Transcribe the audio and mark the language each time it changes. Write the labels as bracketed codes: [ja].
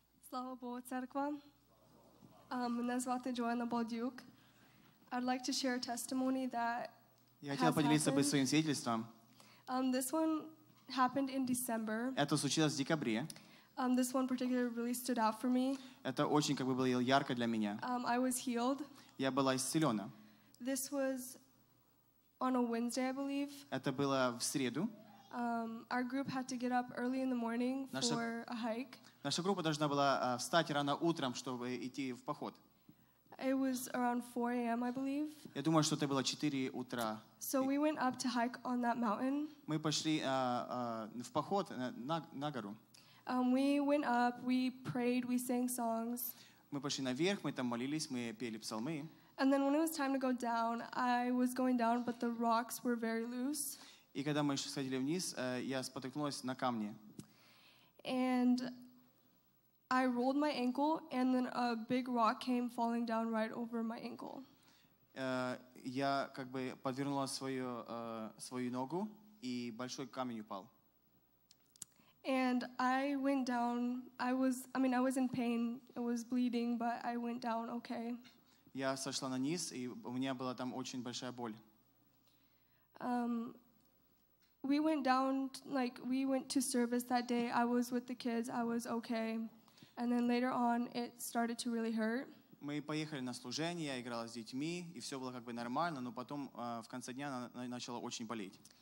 [ru] Слава Богу, церква. Меня зовут Джоанна Балдюк. [en] I'd like to share a testimony that [ru] я хотел поделиться бы своим свидетельством. [en] This one happened in December. [ru] Это случилось в декабре. [en] This one particularly really stood out for me. [ru] Это очень как бы было ярко для меня. [en] I was healed. [ru] Я была исцелена. [en] This was on a Wednesday, I believe. [ru] Это было в среду. [en] Our group had to get up early in the morning for a hike. [ru] Наша группа должна была встать рано утром, чтобы идти в поход. [en] It was around 4 a.m., I believe. [ru] Я думаю, что это было 4 утра. [en] So we went up to hike on that mountain. [ru] Мы пошли в поход на гору. [en] We went up, we prayed, we sang songs. [ru] Мы пошли наверх, мы там молились, мы пели псалмы. [en] And then when it was time to go down, I was going down, but the rocks were very loose. [ru] И когда мы сходили вниз, я споткнулась на камне. [en] And I rolled my ankle, and then a big rock came falling down right over my ankle. [ru] Я как бы подвернула свою ногу, и большой камень упал. [en] And I went down. I was in pain. It was bleeding, but I went down okay. [ru] Я сошла на низ, и у меня была там очень большая боль. Мы поехали на служение, я играла с детьми, и все было как бы нормально, но потом в конце дня она начала очень болеть.